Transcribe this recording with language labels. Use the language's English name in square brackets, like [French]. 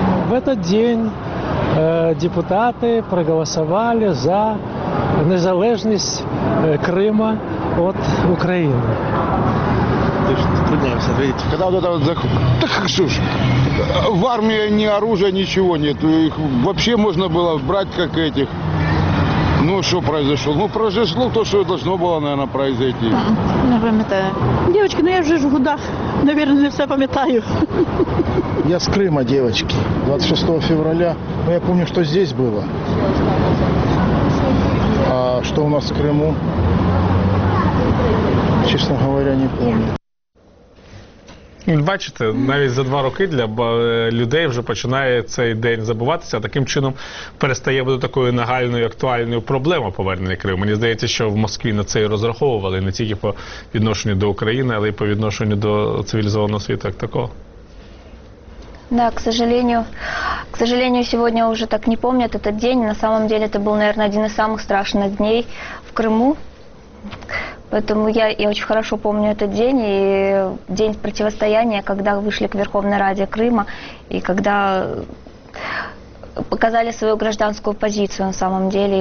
[Russian] В этот день [Ukrainian] депутати проголосували за незалежність Криму від України. [Russian] В армии ни оружия, ничего нет. Их вообще можно было брать, как этих. Ну, что произошло? Ну, произошло то, что должно было, наверное, произойти. Не помню. Девочки, ну я уже в годах, наверное, не все помню. Я с Крыма, девочки. 26 февраля. Ну, я помню, что здесь было. А что у нас в Крыму? Честно говоря, не помню. [Ukrainian] Бачите, навіть за два роки для людей вже починає цей день забуватися, а таким чином перестає бути такою нагальною, актуальною проблемою повернення Криму. Мені здається, що в Москві на це і розраховували, не тільки по відношенню до України, але й по відношенню до цивілізованого світу, як такого. [Russian] Да, к сожалению, сегодня уже так не помнят этот день. На самом деле, это был, наверное, один из самых страшных дней в Криму. Поэтому я очень хорошо помню этот день и день противостояния, когда вышли к Верховной Раде Крыма и когда показали свою гражданскую позицию на самом деле.